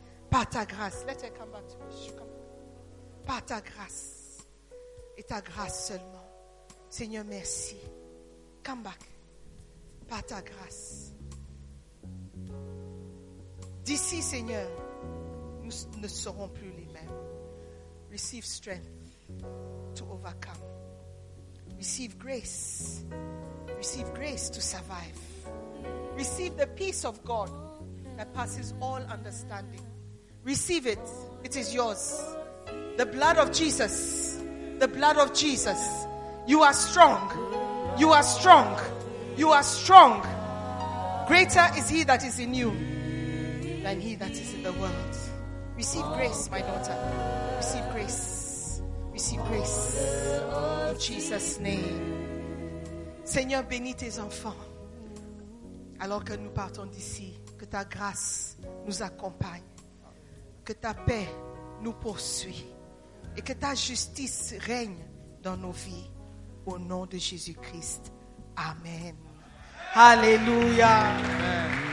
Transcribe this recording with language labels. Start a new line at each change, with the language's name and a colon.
French: Par ta grâce.
English: Let her come back to me.
French: Par ta grâce. Et ta grâce seulement. Seigneur, merci.
English: Come back.
French: Par ta grâce. D'ici, Seigneur, nous ne serons plus les mêmes.
English: Receive strength to overcome. Receive grace to survive. Receive the peace of God that passes all understanding. Receive it. It is yours. The blood of Jesus. The blood of Jesus. You are strong. You are strong. You are strong. Greater is he that is in you than he that is in the world. Receive grace, my daughter. Receive grace. Receive grace in Jesus' name.
French: Seigneur, bénis tes enfants. Alors que nous partons d'ici, que ta grâce nous accompagne, que ta paix nous poursuit et que ta justice règne dans nos vies. Au nom de Jésus-Christ. Amen. Alléluia. Amen.